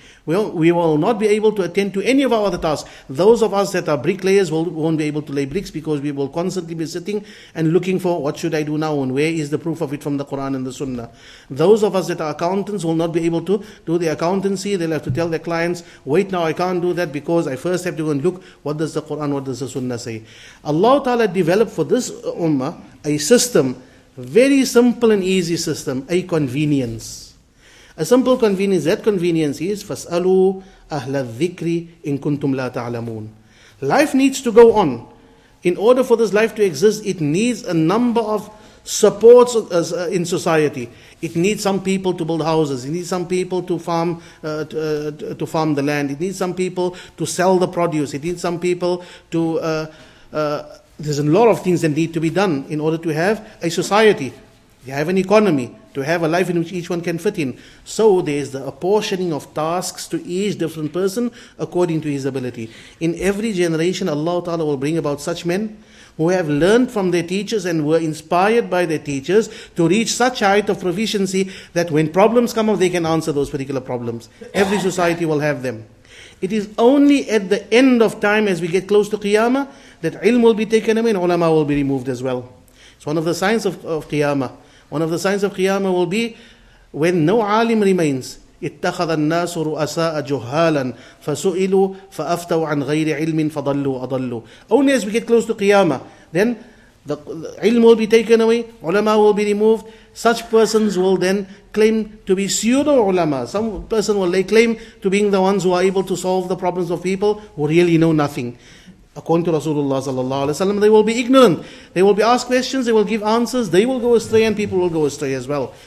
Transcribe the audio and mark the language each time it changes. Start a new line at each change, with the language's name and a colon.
English: We will not be able to attend to any of our other tasks. Those of us that are bricklayers won't be able to lay bricks, because we will constantly be sitting and looking for what should I do now and where is the proof of it from the Quran and the Sunnah. Those of us that are accountants will not be able to do the accountancy. They'll have to tell their clients, wait now, I can't do that because I first have to go and look what does the Quran, what does the Sunnah say. Allah Ta'ala developed for this ummah a system. Very simple and easy system, a convenience. A simple convenience, that convenience is,
Arabic: فَاسْأَلُوا أَهْلَ الذِّكْرِ إِن كُنْتُمْ لَا تَعْلَمُونَ.
English: Life needs to go on. In order for this life to exist, it needs a number of supports in society. It needs some people to build houses. It needs some people to farm the land. It needs some people to sell the produce. It needs some people to... There's a lot of things that need to be done in order to have a society, to have an economy, to have a life in which each one can fit in. So there's the apportioning of tasks to each different person according to his ability. In every generation, Allah Ta'ala will bring about such men who have learned from their teachers and were inspired by their teachers to reach such height of proficiency that when problems come up, they can answer those particular problems. Every society will have them. It is only at the end of time, as we get close to Qiyamah, that ilm will be taken away and ulama will be removed as well. It's one of the signs of Qiyamah. One of the signs of Qiyamah will be when no alim remains.
Arabic: اتخذ الناس رؤساء جهالا فسئلوا فأفتوا عن غير علم فضلوا أضلوا.
English: Only as we get close to Qiyamah, then the ilm will be taken away, ulama will be removed. Such persons will then claim to be pseudo ulama. Some person will lay claim to being the ones who are able to solve the problems of people who really know nothing. According to Rasulullah sallallahu alaihi wasallam, they will be ignorant. They will be asked questions, they will give answers, they will go astray and people will go astray as well.